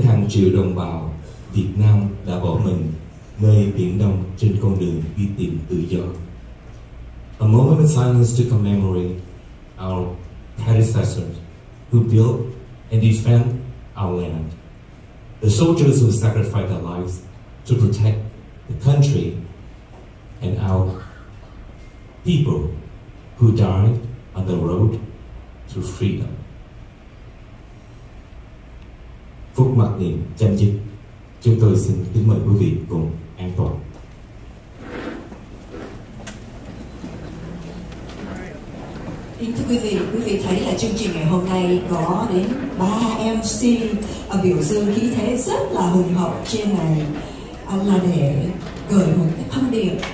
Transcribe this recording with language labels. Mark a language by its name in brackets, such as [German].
[Vietnamese] Triệu đồng bào Việt Nam đã bỏ mình về Biển Đông trên con đường đi tìm tự do. [English] A moment of silence to commemorate our predecessors who built and defend our land. The soldiers who sacrificed their lives to protect the country and our people who died on the road to freedom. [Vietnamese] Phút mặc niệm chấm dứt, chúng tôi xin kính mời quý vị cùng an toàn. Kính thưa quý vị thấy là chương trình ngày hôm nay có đến 3 MC biểu dương khí thế rất là hùng hậu trên này, là để gửi một cái thông điệp.